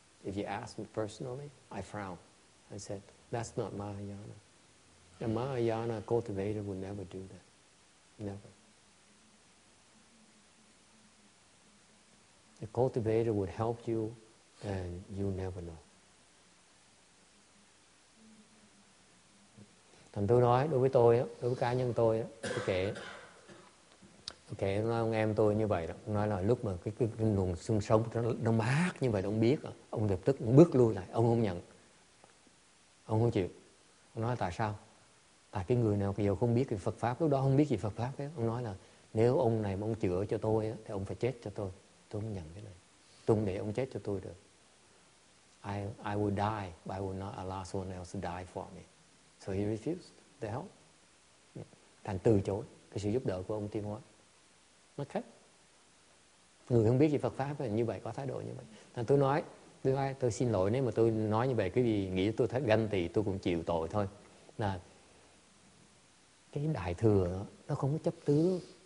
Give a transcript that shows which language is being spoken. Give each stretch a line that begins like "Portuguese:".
English: If you ask me personally, I frown. I said, that's not Mahayana. A Mahayana cultivator would never do that. Never. The cultivator would help you and you never know.
Vietnamese: Thành tôi nói, đối với tôi, đối với cá nhân tôi kể. Okay, nó nói ông em tôi như vậy đó. Ông nói là lúc mà cái luồng xương sống nó mát như vậy đó, ông biết đó. Ông lập tức bước lui lại, ông không nhận. Ông không chịu. Ông nói là tại sao? Tại cái người nào bây giờ không biết cái Phật Pháp, lúc đó không biết gì Phật Pháp đó. Ông nói là nếu ông này mà ông chữa cho tôi đó, thì ông phải chết cho tôi. Tôi không nhận cái này. Tôi không để ông chết cho tôi được.
English: I will die, but I will not allow someone else to die for me. So he refused to help.
Vietnamese: Thành từ chối cái sự giúp đỡ của ông Tiên Hóa. Okay. Người không biết gì Phật Pháp là như vậy, có thái độ như vậy. Thành tôi xin lỗi nếu mà tôi nói như vậy, cái gì nghĩ tôi thấy ganh tị, tôi cũng chịu tội thôi. Là cái đại thừa đó, nó không có chấp tướng.